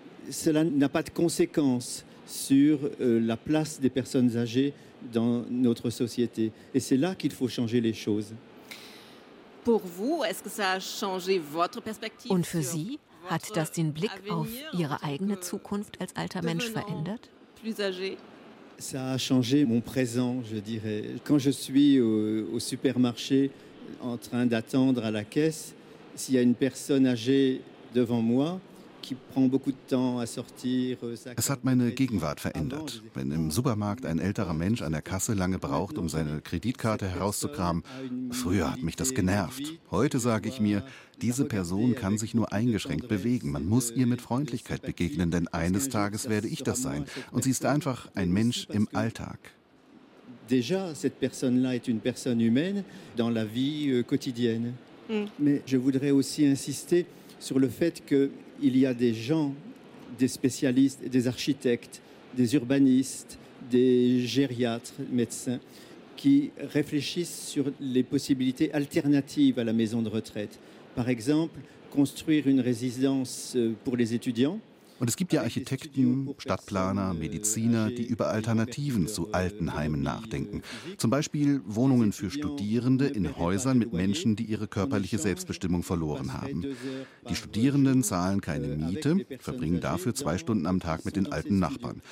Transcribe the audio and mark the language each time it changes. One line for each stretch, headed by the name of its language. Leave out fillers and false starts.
French: Cela n'a pas de conséquence sur la place des personnes âgées dans notre société. Et c'est là qu'il faut changer les choses. Pour vous, est-ce que ça a changé votre perspective?
German: Und für Sie, hat das den Blick auf Ihre eigene Zukunft als alter Mensch verändert?
French: Plus âgé. Ça a changé mon présent, je dirais. Quand je suis au supermarché en train d'attendre à la caisse, s'il y a une personne âgée devant moi,
German: es hat meine Gegenwart verändert. Wenn im Supermarkt ein älterer Mensch an der Kasse lange braucht, um seine Kreditkarte herauszukramen, früher hat mich das genervt. Heute sage ich mir, diese Person kann sich nur eingeschränkt bewegen. Man muss ihr mit Freundlichkeit begegnen, denn eines Tages werde ich das sein. Und sie ist einfach ein Mensch im Alltag.
French: Déjà, cette personne-là est une personne humaine dans la vie quotidienne. Mais je voudrais aussi insister sur le fait que il y a des gens, des spécialistes, des architectes, des urbanistes, des gériatres, médecins, qui réfléchissent sur les possibilités alternatives à la maison de retraite. Par exemple, construire une résidence pour les étudiants.
German: Und es gibt ja Architekten, Stadtplaner, Mediziner, die über Alternativen zu Altenheimen nachdenken. Zum Beispiel Wohnungen für Studierende in Häusern mit Menschen, die ihre körperliche Selbstbestimmung verloren haben. Die Studierenden zahlen keine Miete, verbringen dafür 2 Stunden am Tag mit den alten Nachbarn.